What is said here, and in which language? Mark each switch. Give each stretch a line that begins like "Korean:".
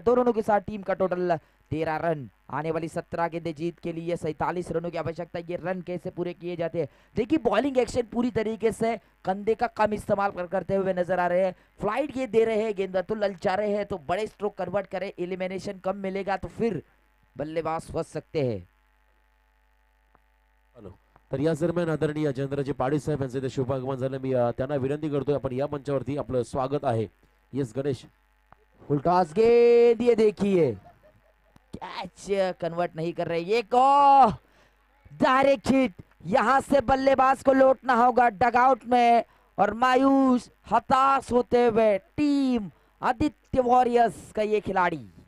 Hindi: 2 रनों के साथ टीम का टोटल 13 रन। आने वाली 17 गेंदे जीत के लिए 47 रनों की आवश्यकता, ये रन कैसे पूरे किए जाते हैं देखिए, बॉलिंग एक्शन पूरी तरीके से कंधे का कम इस्तेमाल करते हुए नजर आ रहे हैं, फ्लाइट ये दे रहे हैं गेंद तो ललचा रहे हैं तो बड़े स्ट्रोक कन्वर्ट करें, एलिमिनेशन कम मिलेगा तो फिर बल्लेबाज फंस सकते हैं।
Marathi: तर या दरम्यान आदरणीय जयेंद्रजी पाटील साहेब यांचे ते शुभागमन झाले, मी त्यांना विनंती करतो आपण या मंचावरती आपलं स्वागत आहे।
English: yes Ganesh,
Hindi: फुल टॉस गेंद, ये देखिए कैच कन्वर्ट नहीं कर रहे, एक डायरेक्ट हिट, यहां से बल्लेबाज को लौटना होगा डगआउट में और मायूस हताश होते हुए टीम आदित्य वॉरियर्स का ये खिलाड़ी।